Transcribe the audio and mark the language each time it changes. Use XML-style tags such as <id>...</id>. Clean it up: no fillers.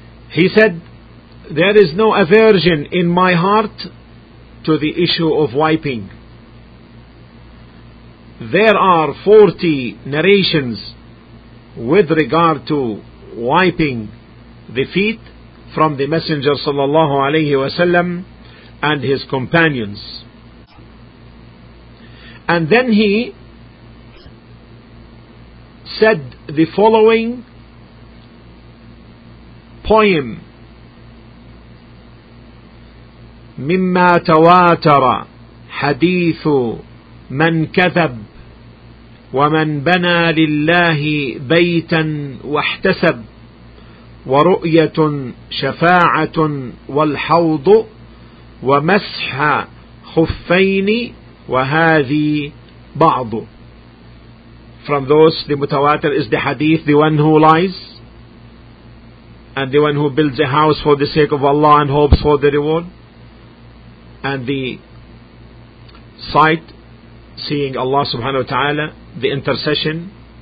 <en>He said, there is no aversion in my heart to the issue of wiping. There are 40 narrations with regard to wiping the feet from the Messenger sallallahu alayhi wasallam and his companions. And then he said the following poem,</en> <ar>مما تواتر حديث من كذب ومن بنى لله بيتا واحتسب ورؤية شفاعة والحوض ومسح خفين وهذه بعض.</ar> <en>From those, the mutawatir is the hadith, the one who lies and the one who builds a house for the sake of Allah and hopes for the reward, and the sight, seeing Allah subhanahu wa ta'ala, the intercession</en>